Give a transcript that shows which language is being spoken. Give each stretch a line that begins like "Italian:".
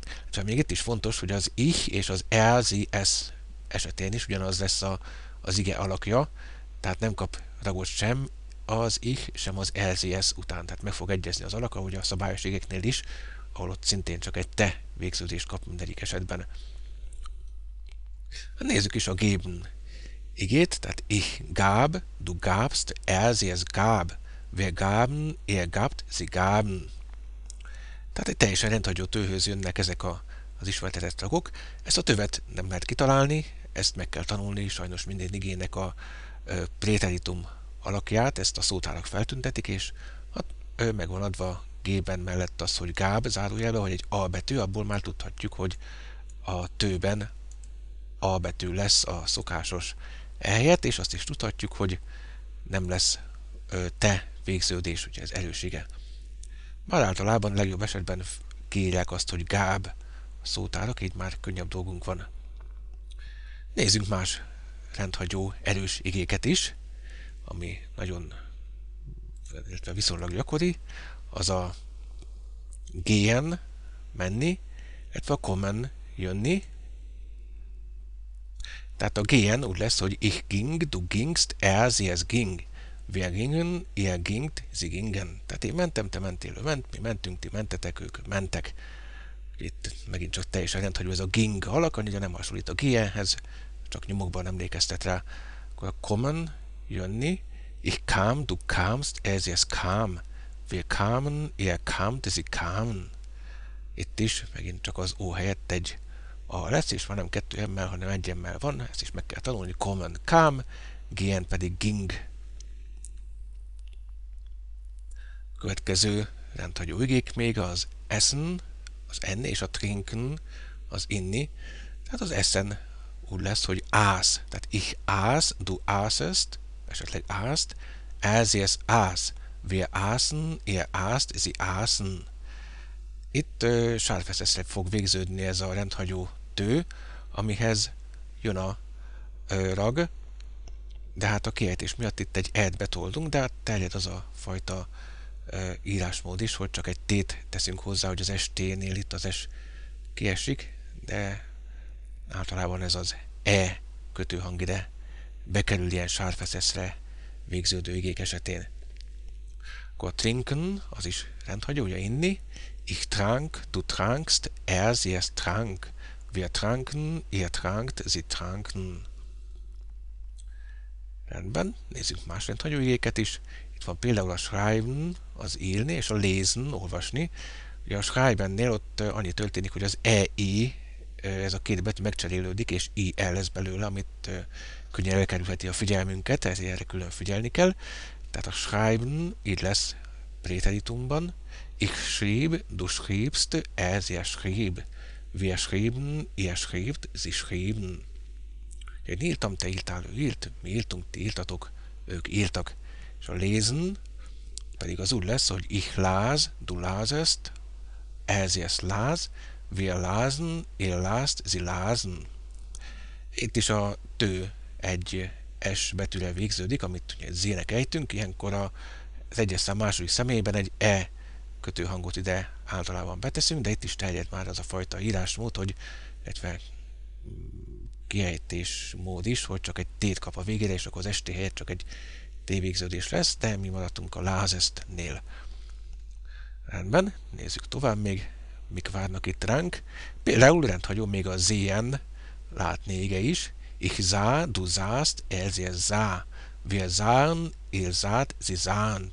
Hungarian: Csak még itt is fontos, hogy az ich és az er, sie, es esetén is ugyanaz lesz az ige alakja, tehát nem kap ragot sem az ich, sem az er, sie, es után, tehát meg fog egyezni az alak, ahogy a szabályos igéknél is, ahol ott szintén csak egy te végződést kap mindegyik esetben. Nézzük is a geben igét, tehát
German: ich gab, du gabst, er, sie, es gab, wir gaben, ihr gabt, sie gaben.
Hungarian: Tehát egy teljesen rendhagyó tőhöz jönnek ezek az ismertetett ragok. Ezt a tövet nem lehet kitalálni, ezt meg kell tanulni, sajnos minden igének a préteritum alakját, ezt a szótárak feltüntetik, és hát meg van adva gében mellett az, hogy gab, zárójelben, hogy egy A betű, abból már tudhatjuk, hogy a tőben A betű lesz a szokásos ehelyett, és azt is tudhatjuk, hogy nem lesz te végződés, ugye ez erősége. Már általában legjobb esetben kiírják azt, hogy gáb szótárak, így már könnyebb dolgunk van. Nézzünk más rendhagyó erős igéket is, ami nagyon viszonylag gyakori, az a gehen menni, illetve a kommen jönni. Tehát a gehen úgy lesz, hogy
German: ich ging, du gingst, er, sie, es ging. Wir gingen, ihr gingt, sie gingen.
Hungarian: Tehát én mentem, te mentél, ő ment, mi mentünk, ti mentetek, ők mentek. Itt megint csak teljesen rend, hogy ez a ging alak, annyira nem hasonlít a gehenhez, csak nyomokban emlékeztet rá. Akkor a kommen, jönni,
German: ich kam, du kamst, er, sie, es kam. Wir kamen, ihr kamt, sie kamen.
Hungarian: Itt is megint csak az ó helyett egy A lesz, és már nem kettő emmel, hanem egy emmel van, ezt is meg kell tanulni, common kam, gn pedig ging. Következő rendhagyó igék még az essen, az enni, és a trinken, az inni. Tehát az essen úgy lesz, hogy ász, tehát
German: ich ász, du ászest, esetleg ászt, er, sie, es ász, wir ászen, ihr ászt, sie ászen.
Hungarian: Itt sárfeszeszre fog végződni ez a rendhagyó tő, amihez jön a rag, de hát a kiejtés miatt itt egy E-t betoldunk, de hát terjed az a fajta írásmód is, hogy csak egy T-t teszünk hozzá, hogy az ST-nél itt az S kiesik, de általában ez az E kötőhang ide bekerül ilyen sárfeszeszre végződő igék esetén. Akkor a trinken, az is rendhagyó, ugye inni.
German: Ich trank, du trankst, er, sie, es trank. Wir tranken, ihr trankt, sie tranken.
Hungarian: Rendben, nézzük más rendhagyó igéket is. Itt van például a schreiben, az írni, és a lesen, olvasni. Ugye a schreibennél ott annyi történik, hogy az ei, ez a két betű megcserélődik, és IL lesz belőle, amit könnyen elkerülheti a figyelmünket, ezért erre külön figyelni kell. Tehát a schreiben így lesz Präteritumban.
German: Ich schrieb, du schriebst, er sie schrieb. Wir schrieben, ihr schriebt, sie schrieben.
Hungarian: Én írtam, te írtál, ő írt, mi írtunk, ti írtatok, ők írtak. És a lesen pedig az úgy lesz, hogy
German: ich las, du lasest, er sie es las, wir lasen, ihr last, sie lasen.
Hungarian: Itt is a tő egy S betűre végződik, amit ugye Z-nek ejtünk, ilyenkor az egyes szám második személyben egy E kötőhangot ide általában beteszünk, de itt is terjed már az a fajta írásmód, hogy egy kiejtés mód is, hogy csak egy T-t kap a végére, és akkor az ST helyett csak egy T végződés lesz, de mi maradtunk a lázesztnél. Rendben, nézzük tovább még, mik várnak itt ránk. Például rendhagyom még a Z-en látni ége is.
German: Ich sah, du sahst, er sie sah. Wir sahen, ihr saht, sie sahen.